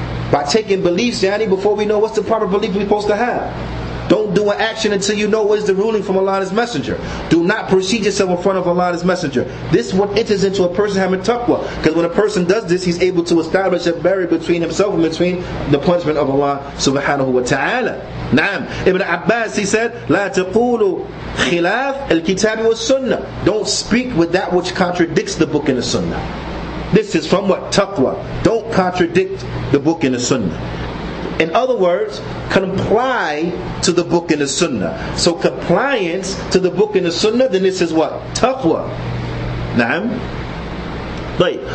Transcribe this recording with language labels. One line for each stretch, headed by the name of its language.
English: By taking beliefs, yani, before we know what's the proper belief we're supposed to have. Don't do an action until you know what is the ruling from Allah and His Messenger. Do not proceed yourself in front of Allah and His Messenger. This is what enters into a person having taqwa. Because when a person does this, he's able to establish a barrier between himself and between the punishment of Allah
Arabic: subhanahu wa ta'ala.
English: Naam. Ibn Abbas, he said,
Arabic: لا تقول خلاف الكتاب والسنة.
English: Don't speak with that which contradicts the book and the sunnah. This is from what? Taqwa. Don't contradict the book and the sunnah. In other words, comply to the book and the sunnah. So compliance to the book and the sunnah, then this is what? Taqwa. Naam. Right.